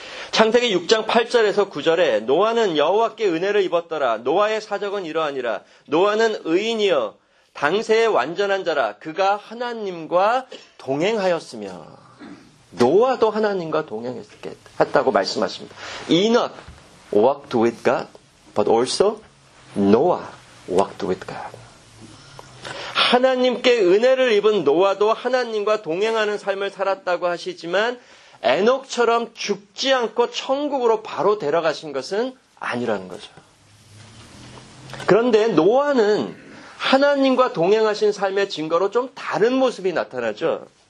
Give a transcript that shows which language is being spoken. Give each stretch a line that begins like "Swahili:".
Korean: 창세기 6장 8절에서 9절에 노아는 여호와께 은혜를 입었더라. 노아의 사적은 이러하니라. 노아는 의인이여 당세의 완전한 자라. 그가 하나님과 동행하였으며. 노아도 하나님과 동행했다고 말씀하십니다.
English: Enoch walked with God, but also Noah walked with God.
Korean: 하나님께 은혜를 입은 노아도 하나님과 동행하는 삶을 살았다고 하시지만 에녹처럼 죽지 않고 천국으로 바로 데려가신 것은 아니라는 거죠. 그런데 노아는 하나님과 동행하신 삶의 증거로 좀 다른 모습이 나타나죠.